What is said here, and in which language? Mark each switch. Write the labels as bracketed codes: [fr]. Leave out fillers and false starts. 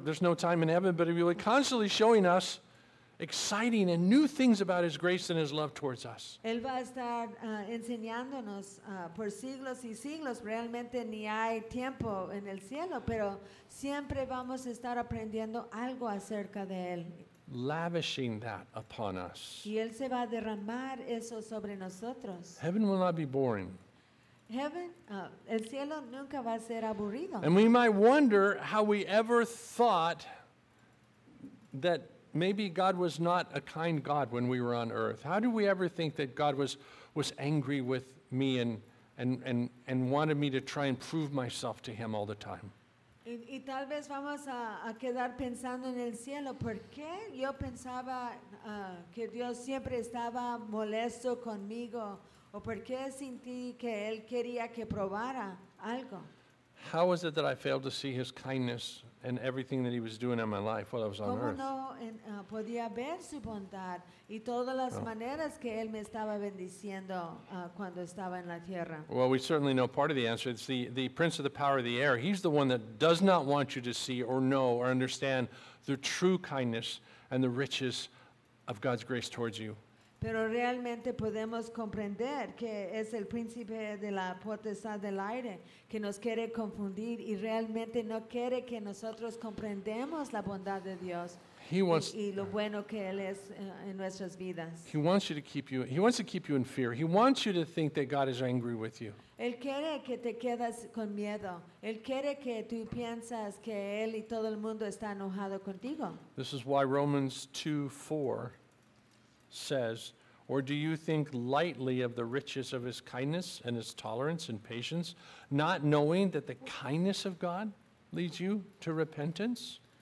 [en] There's no time in heaven, but he'll be constantly showing us exciting and new things about his grace and his love towards us. [es] Él va a estar enseñándonos por siglos y siglos. Realmente ni hay tiempo en el cielo, pero siempre vamos a estar aprendiendo algo acerca de él. [en] Lavishing that upon us. [es] Y él se va a derramar eso sobre nosotros. [en] Heaven will not be boring. [es] Heaven, el cielo nunca va a ser aburrido. [en] And we might wonder how we ever thought that maybe God was not a kind God when we were on earth. How do we ever think that God was angry with me and wanted me to try and prove myself to him all the time? [es] Y tal vez vamos a quedar pensando en el cielo. ¿Por qué yo pensaba que Dios siempre estaba molesto conmigo? ¿O por qué sentí que él quería que probara algo? [en] How is it that I failed to see his kindness and everything that he was doing in my life while I was on earth? [es] ¿Cómo no podía ver su bondad y todas las maneras que él me estaba bendiciendo cuando estaba en la tierra? [en] Well, we certainly know part of the answer. It's the prince of the power of the air. He's the one that does not want you to see or know or understand the true kindness and the riches of God's grace towards you. [es] Pero realmente podemos comprender que es el príncipe de la potestad del aire que nos quiere confundir y realmente no quiere que nosotros comprendamos la bondad de Dios y lo bueno que Él es en nuestras vidas. [en] He wants to keep you in fear. He wants you to think that God is angry with you. [es] Él quiere que te quedas con miedo. Él quiere que tú piensas que Él y todo el mundo está enojado contigo. [en] This is why Romans 2:4 says, or do you think lightly of the riches of his kindness and his tolerance and patience, not knowing that the kindness of God leads you to repentance?